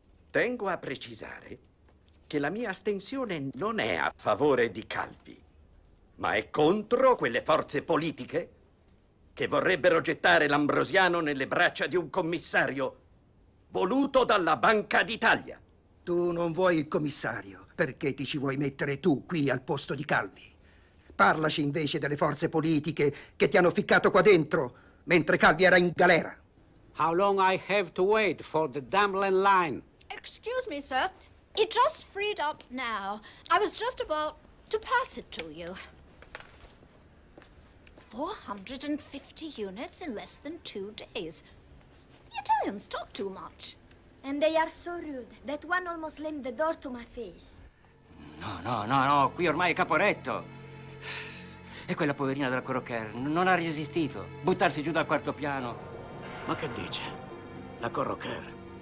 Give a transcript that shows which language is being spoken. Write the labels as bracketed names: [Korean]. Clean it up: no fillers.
[Italian] Tengo a precisare che la mia astensione non è a favore di Calvi, ma è contro quelle forze politiche che vorrebbero gettare l'Ambrosiano nelle braccia di un commissario voluto dalla Banca d'Italia. Tu non vuoi il commissario, perché ti ci vuoi mettere tu qui al posto di Calvi? Parlaci invece delle forze politiche che ti hanno ficcato qua dentro mentre Calvi era in galera. [English] How long I have to wait for the Dublin line? Excuse me, sir. It just freed up now. I was just about to pass it to you. 450 units in less than 2 days. The Italians talk too much. And they are so rude that one almost slammed the door to my face. [Italian] No, no, no, no, qui ormai è Caporetto. E quella poverina della Crocker non ha resistito. Buttarsi giù dal quarto piano. Ma che dice? La Crocker?